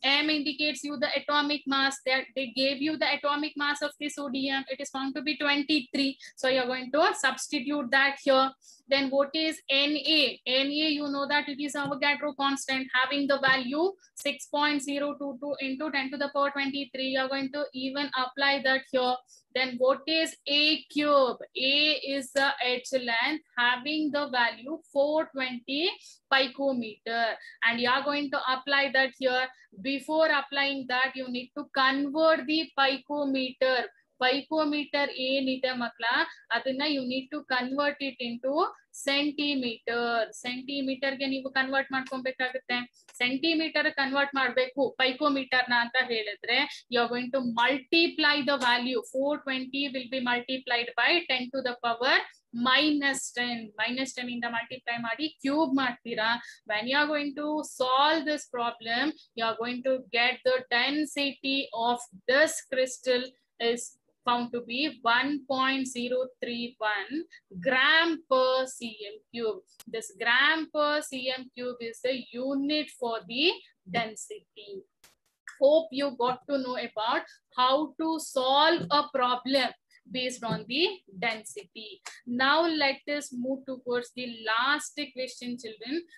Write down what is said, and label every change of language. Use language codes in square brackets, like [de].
[en] M indicates you the atomic mass, they gave you the atomic mass of the sodium, it is found to be 23, so you are going to substitute that here. Then what is N A? N A you know that it is Avogadro constant, having the value 6.022 × 10³. You are going to even apply that here. Then what is a cube? A is the edge length having the value 420 picometer, and you are going to apply that here. Before applying that, you need to convert the picometer. [kn] Picometre ಏನಿದೆ ಮಕ್ಕಳ, ಅದನ್ನ [en] You need to convert it into centimetre. [kn] ಸೆಂಟಿಮೀಟರ್ಗೆ ನೀವು convert ಮಾಡ್ಕೊಬೇಕಾಗುತ್ತೆ. Centimetre convert ಮಾಡ್ಬೇಕು ಪೈಕೋಮೀಟರ್ನ ಅಂತ ಹೇಳಿದ್ರೆ, [en] You are going to multiply the value. 420 will be multiplied by 10⁻¹. [kn] Minus 10 ಇಂದ multiply ಮಾಡಿ cube ಮಾಡ್ತೀರಾ. [en] When you are going to solve this problem, you are going to get the density of this crystal is found to be 1.031 gram per cm cube. This gram per cm cube is the unit for the density. Hope you got to know about how to solve a problem based on the density. Now let us move towards the last question, children.